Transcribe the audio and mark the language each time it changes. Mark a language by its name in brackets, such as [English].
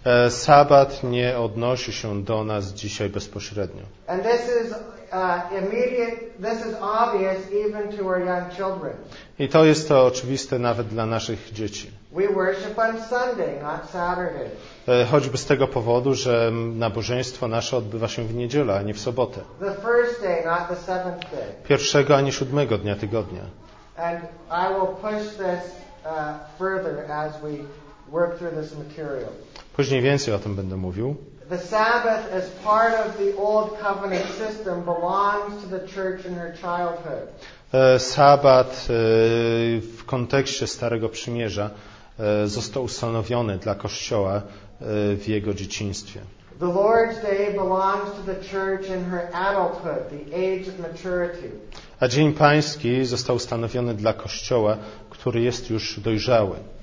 [Polish] Sabbat nie odnosi się do nas dzisiaj bezpośrednio. [English] And this is immediate, this is obvious even to our young children. [Polish] I to jest to oczywiste nawet dla naszych dzieci. [English] We worship on Sunday, not Saturday. [Polish] Choćby z tego powodu, że nabożeństwo nasze odbywa się w niedzielę, a nie w sobotę. [English] The first day, not the seventh day. [Polish] Pierwszego, a nie siódmego dnia tygodnia. [English] And I will push this further as we work through this material. [Polish] Później więcej o tym będę mówił. [English] The Sabbath is part of the old covenant system, belongs to the church in her childhood. [Polish] Sabbat w kontekście Starego Przymierza został ustanowiony dla Kościoła w jego dzieciństwie. [English] The Lord's Day belongs to the church in her adulthood, the age of maturity. [Polish] A Dzień Pański został ustanowiony dla Kościoła, który jest już dojrzały.